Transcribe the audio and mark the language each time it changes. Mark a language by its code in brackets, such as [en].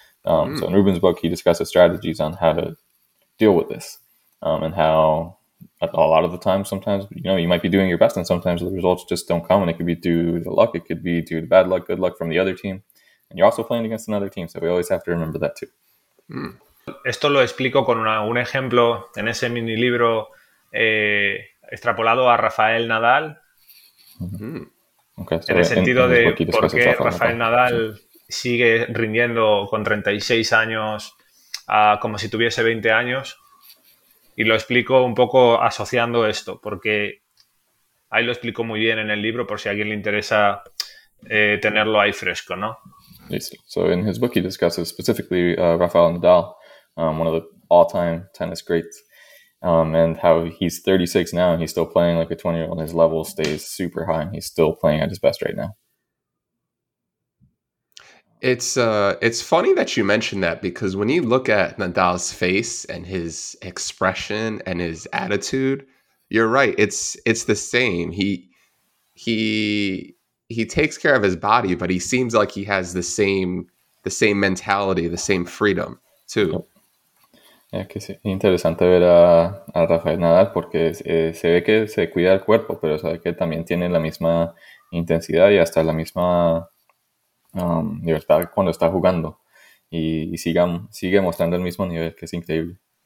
[en] So in Ruben's book, he discusses strategies on how to deal with this, and how a lot of the time, sometimes, you know, you might be doing your best and sometimes the results just don't come, and it could be due to luck, it could be due to bad luck, good luck from the other team, and you're also playing against another team, so we always have to remember that too. [es] Esto lo explico con un ejemplo en ese mini libro, extrapolado a Rafael Nadal. [en] Okay, [es] so en el sentido de por qué Rafael Nadal sigue rindiendo con 36 años como si tuviese 20 años. Y lo explico un poco asociando esto, porque ahí lo explico muy bien en el libro, por si a alguien le interesa tenerlo ahí fresco, ¿no? [en] Yes. So in his book, he discusses specifically Rafael Nadal, one of the all-time tennis greats, and how he's 36 now and he's still playing like a 20-year-old, and his level stays super high and he's still playing at his best right now. It's funny that you mentioned that, because when you look at Nadal's face and his expression and his attitude, you're right. It's the same. He takes care of his body, but he seems like he has the same mentality, the same freedom too. [es] Yeah, que es interesante ver a Rafael Nadal, porque se ve que se cuida el cuerpo, pero sabe que también tiene la misma intensidad y hasta la misma libertad cuando está jugando, y sigue mostrando el mismo nivel, que es increíble.